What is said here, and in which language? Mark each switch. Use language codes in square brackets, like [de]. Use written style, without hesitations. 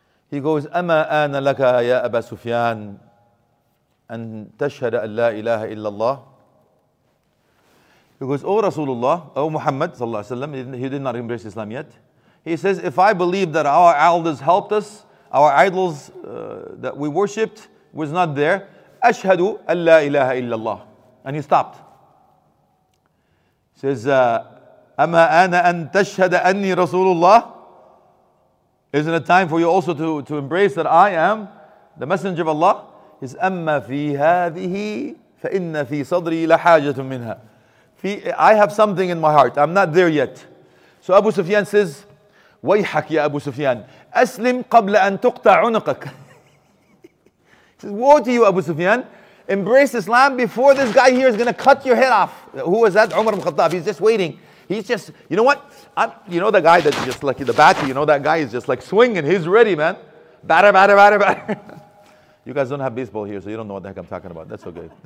[en] He goes, [ar] أَمَا آنَ لَكَ يَا أَبَا سُفْيَانَ أَن تَشْهَدَ أَن لَا إِلَهَ إِلَّا اللَّهِ. [en] He goes, oh Rasulullah, oh Muhammad sallallahu alayhi wa sallam, he did not embrace Islam yet. He says, if I believe that our elders helped us, our idols that we worshipped was not there, [ar] أَشْهَدُ أَن لَا إِلَهَ إِلَّا اللَّهِ. [en] And he stopped. He says, [ar] أَمَا آنَ أَن تَشْهَدَ أَنِّي رَسُولُ اللَّهِ. [en] Isn't it time for you also to embrace that I am the Messenger of Allah? He says, [ar] أما في هذه فإن في صدري لحاجة منها. [en] I have something in my heart. I'm not there yet. So Abu Sufyan says, [ar] ويحك يا أبو سفيان أسلم قبل أن تقطع عنقك. [en] He says, woe to you, Abu Sufyan. Embrace Islam before this guy here is going to cut your head off. Who was that? Umar ibn Khattab. He's just waiting. He's just, you know what? You know the guy that's just like the bat, you know that guy is just like swinging. He's ready, man. Batter, batter, batter, batter. You guys don't have baseball here, so you don't know what the heck I'm talking about. That's okay.